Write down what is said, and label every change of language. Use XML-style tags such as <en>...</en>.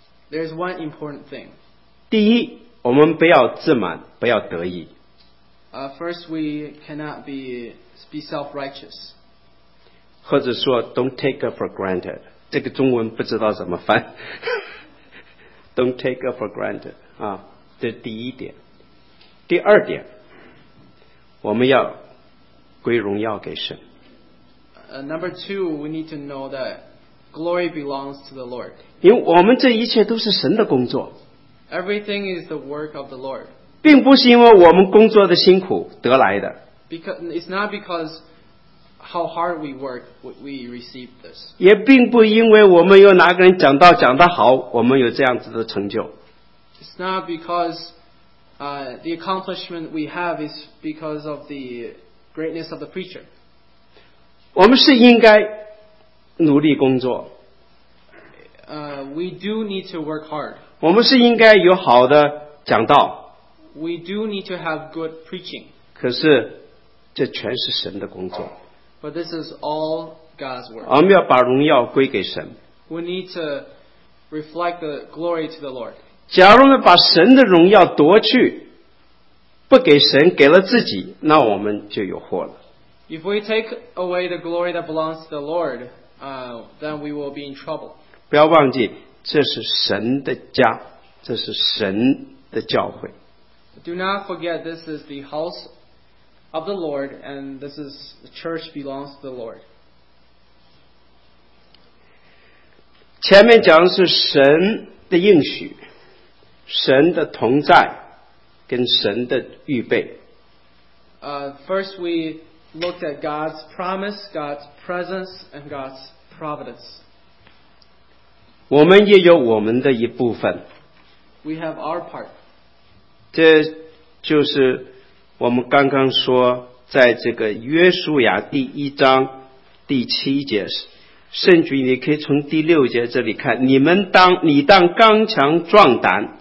<en>There's one important thing.</en> <zh>第一，我们不要自满，不要得意。</zh> <en>First, we cannot be self-righteous.</en> <zh>或者说</zh> <en>，don't take it for granted.</en> <zh>这个中文不知道怎么翻。</zh> <en>Don't take it for granted.</en> <zh>啊，这是第一点。第二点，我们要归荣耀给神。</zh> <en>Number two, we need to know that glory belongs to the Lord.</en> <zh>因为我们这一切都是神的工作。</zh> <en>Everything is the work of the Lord.</en> <zh>并不是因为我们工作的辛苦得来的。</zh> <en>Because it's not because how hard we work, we receive this.</en> <zh>也并不因为我们有哪个人讲道讲得好，我们有这样子的成就。</zh> <en>It's not because the accomplishment we have is because of the greatness of the preacher.</en> <zh>我们是应该努力工作。</zh> <en>We do need to work hard.</en> <zh>我们是应该有好的讲道。</zh> <en>We do need to have good preaching.</en> <zh>可是这全是神的工作。</zh> <en>But this is all God's work.</en> <zh>我们要把荣耀归给神。</zh> <en>We need to reflect the glory to the Lord.</en> <zh>假如我们把神的荣耀夺去，不给神，给了自己，那我们就有祸了。</zh> <en>If we take away the glory that belongs to the Lord, then we will be in trouble.</en> <zh>不要忘记，这是神的家，这是神的教会。</zh> <en>Do not forget this is the house of the Lord, and this is the church belongs to the Lord.</en> <zh>前面讲的是神的应许，神的同在，跟神的预备。</zh> <en>First, we looked at God's promise, God's presence, and God's providence.</en> <zh>我们也有我们的一部分。</zh> <en>We have our part.</en> <zh>这就是我们刚刚说，在这个约书亚第一章第七节，甚至你可以从第六节这里看，你当刚强壮胆。</zh>